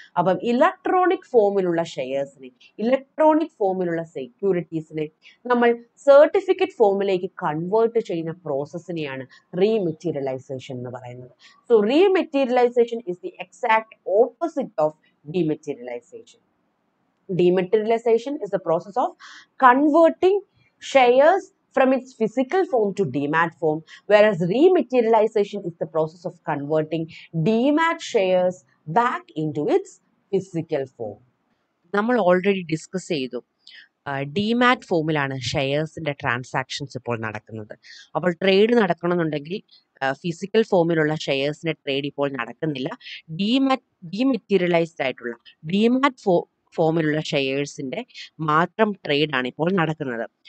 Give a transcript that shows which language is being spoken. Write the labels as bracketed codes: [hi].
[ml] അപ്പം ഇലക്ട്രോണിക് ഫോമിലുള്ള ഷെയർസിനെ, ഇലക്ട്രോണിക് ഫോമിലുള്ള സെക്യൂരിറ്റീസിനെ നമ്മൾ സർട്ടിഫിക്കറ്റ് ഫോമിലേക്ക് കൺവേർട്ട് ചെയ്യുന്ന പ്രോസസ്സിനെയാണ് റീമെറ്റീരിയലൈസേഷൻ എന്ന് പറയുന്നത്. [en] So rematerialisation is the exact opposite of dematerialisation. Dematerialisation is the process of converting shares from its physical form to DMAT form, whereas rematerialization is the process of converting DMAT shares back into its physical form. [ml] നമ്മൾ already discuss ചെയ്തു demat ഫോമിലാണ് ഷെയർസിൻ്റെ transactions ഇപ്പോൾ നടക്കുന്നത്. അപ്പോൾ trade നടക്കണമെന്നുണ്ടെങ്കിൽ physical ഫോമിലുള്ള ഷെയർസിൻ്റെ trade ഇപ്പോൾ നടക്കുന്നില്ല. Dematerialised ആയിട്ടുള്ള ഡിമാറ്റ് ഫോമിലുള്ള ഷെയർസിൻ്റെ മാത്രം ട്രേഡാണ് ഇപ്പോൾ നടക്കുന്നത്.